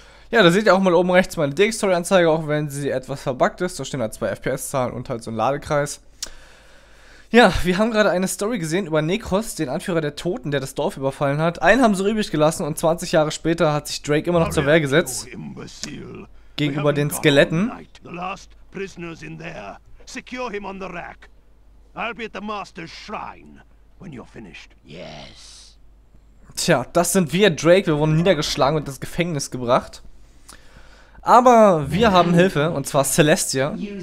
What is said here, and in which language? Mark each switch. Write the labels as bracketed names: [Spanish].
[German] Ja, da seht ihr auch mal oben rechts meine Dig-Story-Anzeige, auch wenn sie etwas verbuggt ist. Da stehen halt zwei FPS-Zahlen und halt so ein Ladekreis. Ja, wir haben gerade eine Story gesehen über Necros, den Anführer der Toten, der das Dorf überfallen hat. Einen haben sie übrig gelassen und 20 Jahre später hat sich Drake immer noch zur Wehr gesetzt. Gegenüber den Skeletten. [English] The last prisoners in there. Secure him on the rack. I'll be at the master's shrine when you're finished. Yes. [German] Tja, das sind wir, Drake. Wir wurden niedergeschlagen und ins Gefängnis gebracht. Aber wir haben Hilfe, und zwar Celestia.